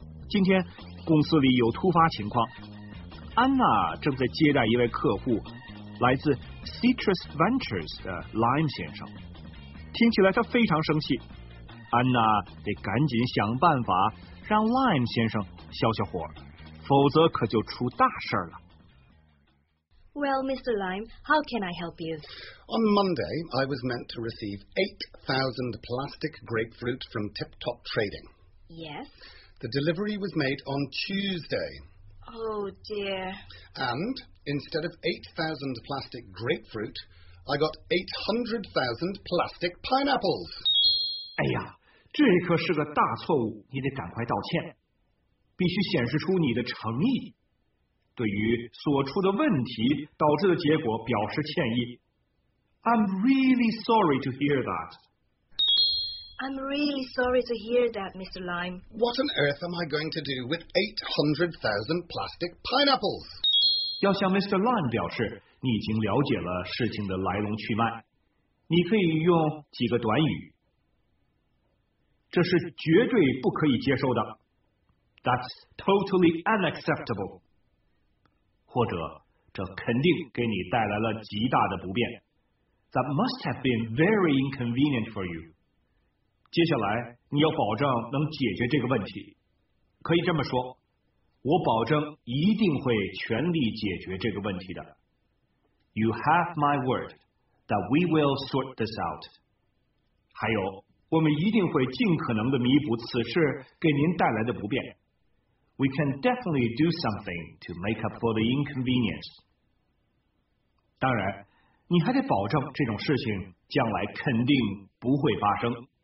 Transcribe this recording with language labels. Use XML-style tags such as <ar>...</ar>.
<zh>今天公司里有突发情况，安娜正在接待一位客户，来自 Citrus Ventures 的 Lime 先生。听起来他非常生气，安娜得赶紧想办法让 Lime 先生消消火，否则可就出大事了。</zh> <en>Well, Mr. Lime, how can I help you? On Monday, I was meant to receive 8,000 plastic grapefruit from Tip Top Trading. Yes? The delivery was made on Tuesday. Oh, dear. And instead of 8,000 plastic grapefruit, I got 800,000 plastic pineapples.</en> <zh>哎呀，这可是个大错误，你得赶快道歉，必须显示出你的诚意。对于所出的问题导致的结果表示歉意。</zh> <en>I'm really sorry to hear that. I'm really sorry to hear that, Mr. Lime. What on earth am I going to do with 800,000 plastic pineapples?</en> <zh>要向 Mr. Lime 表示你已经了解了事情的来龙去脉，你可以用几个短语。这是绝对不可以接受的。</zh> <en>That's totally unacceptable.</en> <zh>或者这肯定给你带来了极大的不便。</zh> <en>That must have been very inconvenient for you.</en> <zh>接下来你要保证能解决这个问题。可以这么说，我保证一定会全力解决这个问题的。</zh> <en>You have my word that we will sort this out.</en> <zh>还有，我们一定会尽可能的弥补此事给您带来的不便。</zh> <en>We can definitely do something to make up for the inconvenience.</en> <zh>当然，你还得保证这种事情将来肯定不会发生。</zh>